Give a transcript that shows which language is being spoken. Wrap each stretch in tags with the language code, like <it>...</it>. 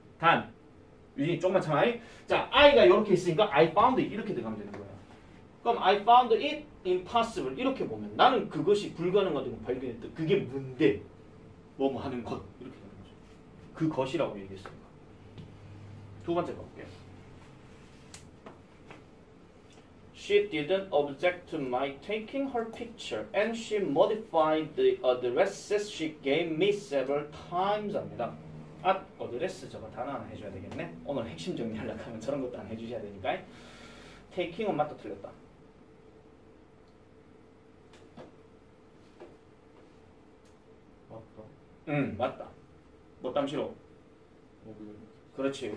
<ko>단 유진이 조금만 참아. 자, I가 이렇게 있으니까</ko> <en>I found it</en> <ko>이렇게 들어가면 되는 거야. 그럼</ko> <en>I found it impossible</en> <ko>이렇게 보면 나는 그것이 불가능하다고 발견했다. 그게 뭔데? 뭐뭐 하는 것 이렇게 되는 거죠. 그것이라고 얘기했으니까. 두 번째 볼게요.</ko> <en>She didn't object to my taking her picture and she modified the addresses she gave me several times</en> <ko>합니다. 아, 어드레스 저거 단어 하나 해줘야 되겠네. 오늘 핵심 정리하려고 하면 저런 것도 안 해주셔야 되니까. Taking은 맞다 틀렸다. 맞다. 맞다. 뭐 땀시로? 그렇지.</ko>